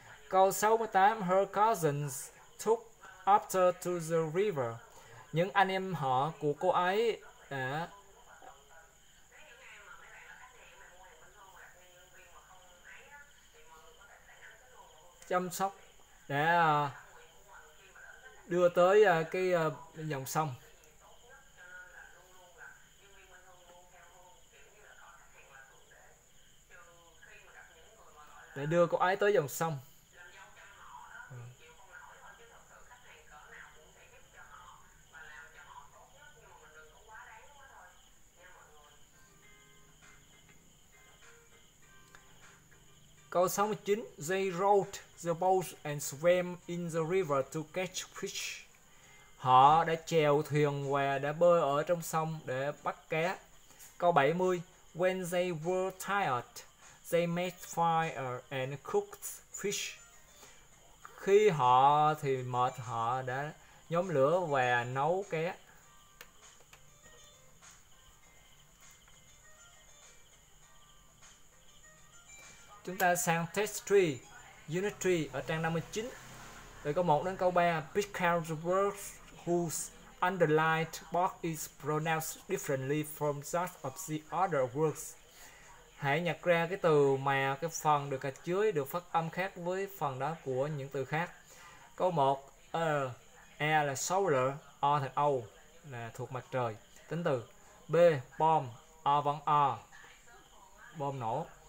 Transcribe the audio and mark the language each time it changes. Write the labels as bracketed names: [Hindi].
[English] Câu 68, her cousins took after to the river. [Vietnamese] Những anh em họ của cô ấy đã chăm sóc để đưa tới cái dòng sông. Để đưa cô ấy tới dòng sông. [English] Câu 69, they rowed the boat and swam in the river to catch fish. [Vietnamese] Họ đã chèo thuyền và đã bơi ở trong sông để bắt cá. [English] Câu 70, when they were tired, they made fire and cooked fish. [Vietnamese] Khi họ thì mệt, họ đã nhóm lửa và nấu cá. Chúng ta sang test 3, unit 3 ở trang 59. Từ câu 1 đến câu 3, [English] pick out the word whose underlined part is pronounced differently from that of the other words. [Vietnamese] Hãy nhặt ra cái từ mà cái phần được gạch chéo được phát âm khác với phần đó của những từ khác. Câu 1, E là solar, O thành O là thuộc mặt trời. Tính từ B, bomb, O vẫn O, bom nổ.